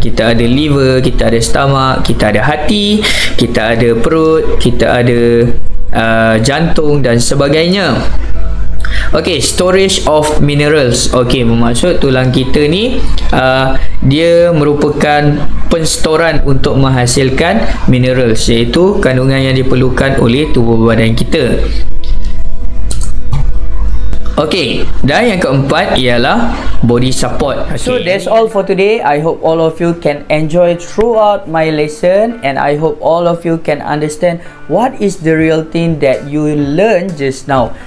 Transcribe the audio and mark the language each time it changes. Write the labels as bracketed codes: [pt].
[ms] Kita ada liver, kita ada stomach, kita ada hati, kita ada perut, kita ada jantung dan sebagainya. [en] Okay, storage of minerals. [ms] Okay, bermaksud tulang kita ni dia merupakan penstoran untuk menghasilkan minerals, iaitu kandungan yang diperlukan oleh tubuh badan kita. Okay, dan yang keempat ialah body support. Okay. [en] So that's all for today. I hope all of you can enjoy throughout my lesson and I hope all of you can understand what is the real thing that you learn just now.